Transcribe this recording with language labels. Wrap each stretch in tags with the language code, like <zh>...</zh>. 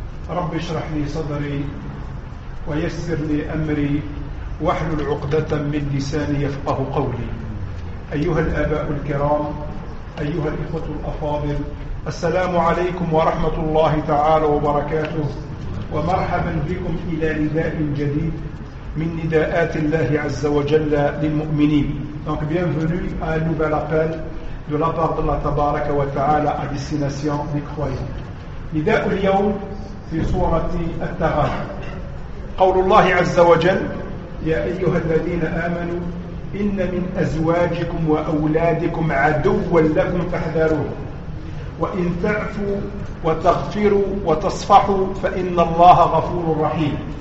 <ar>رب اشرح لي صدري، ويسر لي أمري، واحلل عقدة من لساني يفقه قولي. أيها الآباء الكرام، أيها الإخوة الأفاضل، السلام عليكم ورحمة الله تعالى وبركاته، ومرحبا بكم إلى نداء جديد من نداءات الله عز وجل للمؤمنين.</ar> <fr>Donc bienvenue à un nouvel appel de la part de Allah تبارك وتعالى à destination des croyants.</fr> <ar>نداء اليوم في سورة التغابن. قول الله عز وجل: يا أيها الذين آمنوا إن من أزواجكم وأولادكم عدوا لكم فاحذروه وإن تعفوا وتغفروا وتصفحوا فإن الله غفور رحيم.</ar>